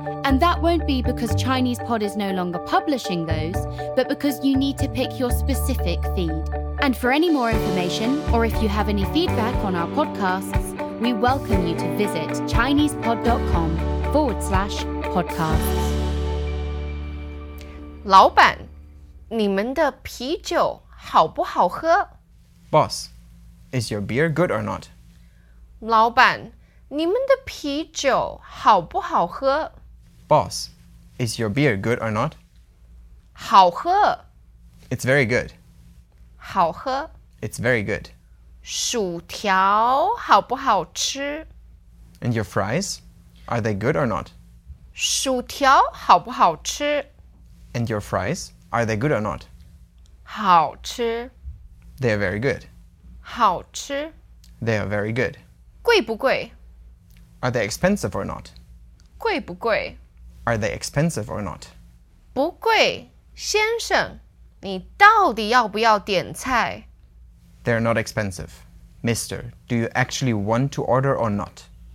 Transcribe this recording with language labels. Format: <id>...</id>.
<en>And that won't be because Chinese Pod is no longer publishing those, but because you need to pick your specific feed. And for any more information, or if you have any feedback on our podcasts, we welcome you to visit ChinesePod.com/podcasts.</en> <zh>老板, 你们的啤酒好不好喝?</zh> <en>Boss, is your beer good or not?</en> <zh>老板, 你们的啤酒好不好喝?</zh> <en>Boss, is your beer good or not?</en> <zh>好喝.</zh> <en>It's very good.</en> <zh>好喝.</zh> <en>It's very good.</en> <zh>薯条好不好吃?</zh> <en>And your fries? Are they good or not?</en> <zh>薯条好不好吃?</zh> <en>And your fries? Are they good or not?</en> <zh>好吃.</zh> <en>They are very good.</en> <zh>好吃.</zh> <en>They are very good.</en> <zh>贵不贵?</zh> <en>Are they expensive or not?</en> <zh>贵不贵?</zh> <en>Are they expensive or not?</en> <zh>不贵,先生,你到底要不要点菜?</zh> <en>They're not expensive. Mister, do you actually want to order or not?</en>